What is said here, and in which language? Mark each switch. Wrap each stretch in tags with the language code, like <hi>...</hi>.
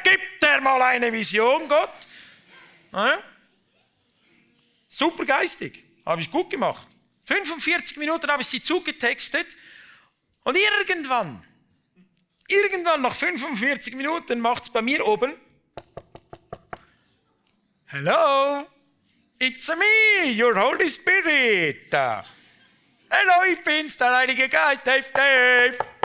<de>Gib dir mal eine Vision, Gott. Ja? Super geistig. Habe ich gut gemacht. 45 Minuten habe ich sie zugetextet. Und irgendwann nach 45 Minuten macht es bei mir oben.</de> <en>Hello, it's me, your Holy Spirit.</en> <de>Hallo, ich bin's, der Heilige Geist, Dave.</de>